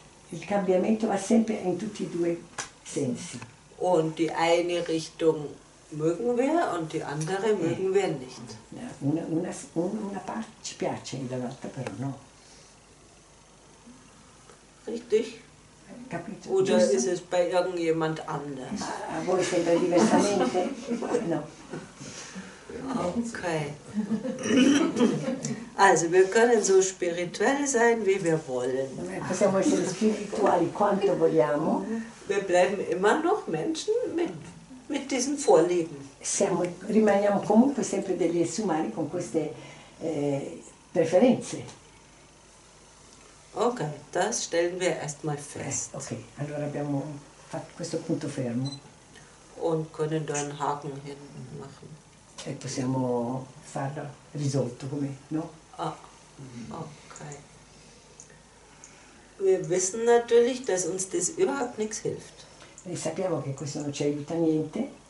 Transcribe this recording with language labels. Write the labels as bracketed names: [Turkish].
[Italian] Il cambiamento va sempre in tutti i due sensi. [German] Und die eine Richtung mögen wir und die andere mögen wir nicht. [Italian] Una parte ci piace, dall'altra però no. [German] Richtig. [Italian] Capito. [German] Oder giusto? Ist es bei irgendjemand anders? [Italian] A voi sembra diversamente? No. Okay. [German] Also, wir können so spirituell sein, wie wir wollen. [Italian] Possiamo essere spirituali quanto vogliamo. [German] Wir bleiben immer noch Menschen mit diesen Vorlieben. [Italian] Rimaniamo comunque sempre degli esseri umani con queste preferenze. [German] Okay, das stellen wir erstmal fest. [Italian] Okay, allora abbiamo fatto questo punto fermo. [German] Und können da einen Haken hin machen. [Italian] E possiamo farlo risolto, come, no? Ah, okay. [German] Wir wissen natürlich, dass uns das überhaupt nichts hilft. [Italian] E sappiamo che questo non ci aiuta niente.